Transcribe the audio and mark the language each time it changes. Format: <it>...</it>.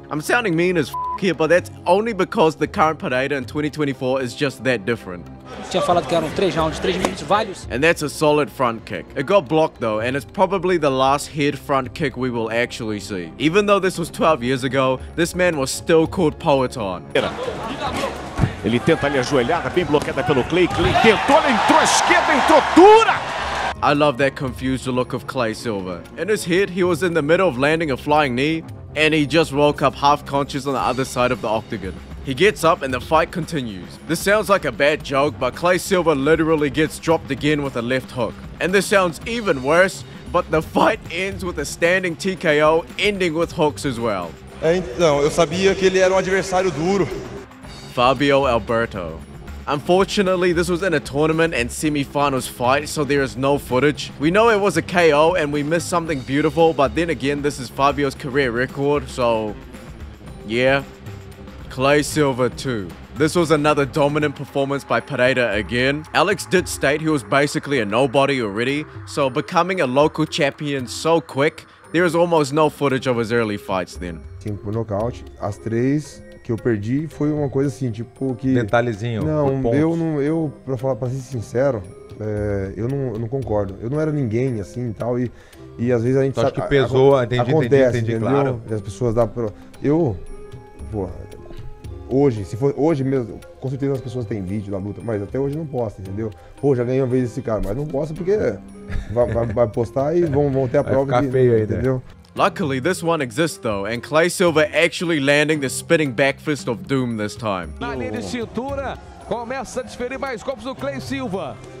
<en>I'm sounding mean as f*** here, but that's only because the current Pereira in 2024 is just that different. And that's a solid front kick. It got blocked though, and it's probably the last head front kick we will actually see. Even though this was 12 years ago, this man was still called Poetón.</en> <pt>Ele tenta ali ajoelhada, bem bloqueada pelo Clay. Clay tentou, ele entrou à esquerda, entrou dura!</pt> <en>I love that confused look of Clay Silva. In his head, he was in the middle of landing a flying knee, and he just woke up half conscious on the other side of the octagon. He gets up and the fight continues. This sounds like a bad joke, but Clay Silva literally gets dropped again with a left hook. And this sounds even worse, but the fight ends with a standing TKO, ending with hooks as well.</en> <pt>É, então, eu sabia que ele era adversário duro.</pt> <en>Fabio Alberto. Unfortunately, this was in a tournament and semi-finals fight, so there is no footage. We know it was a KO and we missed something beautiful, but then again, this is Fabio's career record, so yeah. Clay Silva 2. This was another dominant performance by Pereira again. Alex did state he was basically a nobody already, so becoming a local champion so quick, there is almost no footage of his early fights then. 5 knockout, as 3.</en> <pt>Que eu perdi foi uma coisa assim, tipo que... Detalhezinho. Não, eu não, eu, pra falar, pra ser sincero, eu não concordo. Eu não era ninguém, assim, tal, e às vezes a gente... Acho que pesou, entendi, entendeu? Claro. As pessoas dá pra... Eu, pô, hoje, se for hoje mesmo, com certeza as pessoas têm vídeo da luta, mas até hoje eu não posto, entendeu? Pô, já ganhei uma vez esse cara, mas não posto porque vai postar e vão ter a prova que... Vai ficar feio aí, entendeu? Né?</pt> <en>Luckily, this one exists though, and Clay Silva actually landing the spinning back fist of doom this time.</en> <pt>Na linha de cintura, começa a desferir mais golpes do Clay Silva.</pt>